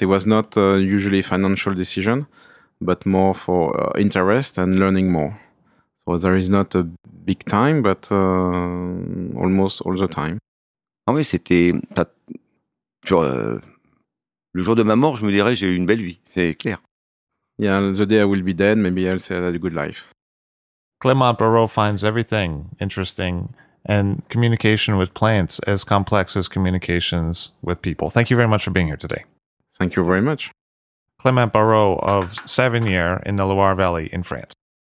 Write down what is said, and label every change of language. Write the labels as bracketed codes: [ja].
[en] It was not usually a financial decision, but more for interest and learning more. So there is not a big time, but almost all the time. [fr] Ah oui, c'était le jour de ma mort, je me dirais, j'ai eu une belle vie, c'est clair. [en] Yeah, the day I will be dead, maybe I'll say I had a good life. Clément Barreau finds everything interesting. And communication with plants as complex as communications with people. Thank you very much for being here today. Thank you very much. Clément Barreau of Savonnières in the Loire Valley in France.